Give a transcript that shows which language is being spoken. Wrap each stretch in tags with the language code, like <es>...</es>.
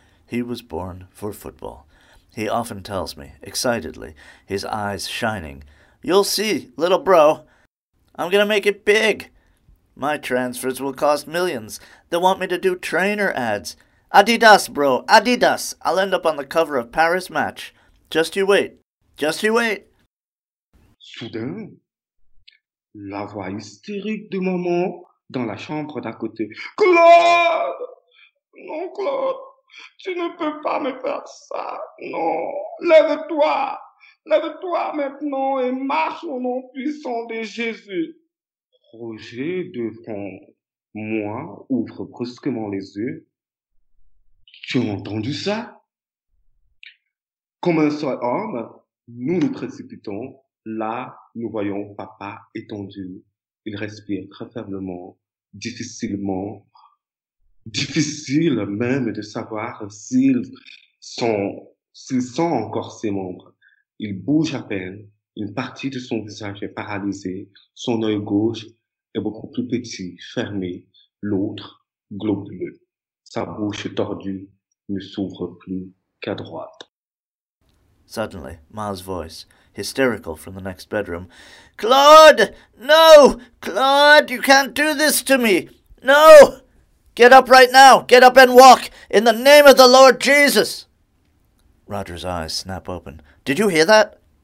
<en>He was born for football. He often tells me, excitedly, his eyes shining, "You'll see, little bro. I'm gonna make it big. My transfers will cost millions. They'll want me to do trainer ads. Adidas, bro, Adidas. I'll end up on the cover of Paris Match. Just you wait. Just you wait."</en> <fr>Soudain, la voix hystérique de maman dans la chambre d'à côté. « Claude! Non, Claude, tu ne peux pas me faire ça. Non, lève-toi. Lève-toi maintenant et marche au nom puissant de Jésus. » Roger, devant moi, ouvre brusquement les yeux. « Tu as entendu ça? » Comme un seul homme, nous nous précipitons. Là, nous voyons papa étendu. Il respire très faiblement, difficilement. Difficile même de savoir s'il sent encore ses membres. Il bouge à peine. Une partie de son visage est paralysée. Son œil gauche est beaucoup plus petit, fermé. L'autre, globuleux. Sa bouche tordue ne s'ouvre plus qu'à droite.</fr> <en>Suddenly, Ma's voice, hysterical from the next bedroom. Claude! No! Claude, you can't do this to me! No! Get up right now! Get up and walk! In the name of the Lord Jesus! Roger's eyes snap open. Did you hear that?</en>